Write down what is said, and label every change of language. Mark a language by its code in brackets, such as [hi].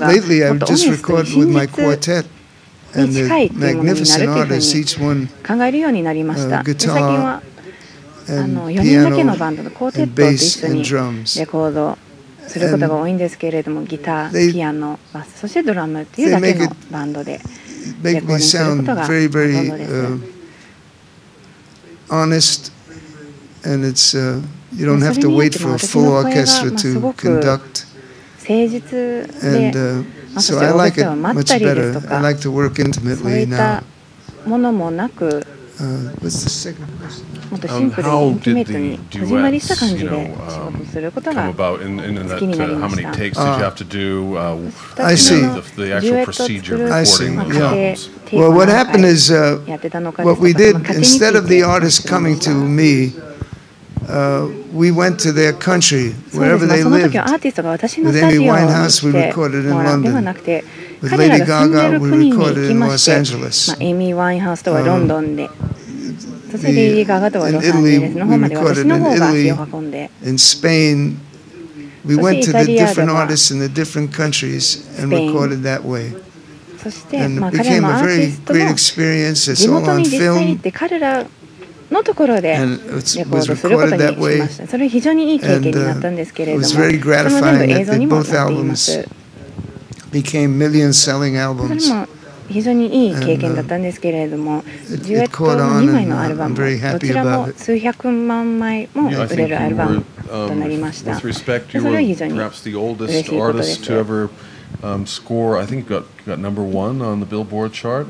[en] lately I've just recorded with my quartet and the magnificent artists, each one guitar and piano and bass and drums. [ja] することが多いんですけれども、ギター、ピアノ、バス、そしてドラムっていうだけのバンドでレコーディングすることがほとんどです。 [en] Honest, and it's you don't have to wait for a full orchestra to conduct. [ja] 誠実で、and, [en] so I like it much better. I like to work intimately now. [ja] そういったものもなく。 [en] What's the second question? How did the duets, you know, come about? In that, how many takes did you have to do? I see. The actual procedure recording. I see. Yeah. Well, what happened is, what we did instead of the artists coming to me, we went to their country, wherever they lived. With Amy Winehouse, we recorded in London. With Lady Gaga, we recorded in Los Angeles. [ja] Amy Winehouse とはロンドンで、そしてレディー・ガガとはロサンゼルスの方まで、私の方が足を運んで、 [en] In Spain, we went to the different artists in the different countries and recorded that way. [ja] そして、まあ彼らのアーティストも地元に実際行って彼らのところでレコードすることにしました。それ非常にいい経験になったんですけれども、それも全部映像にもなっています。 [en] Became million selling albums. It caught on, and I'm very happy about it. With respect, you were perhaps the oldest artist to ever score. I think you got number one on the Billboard chart.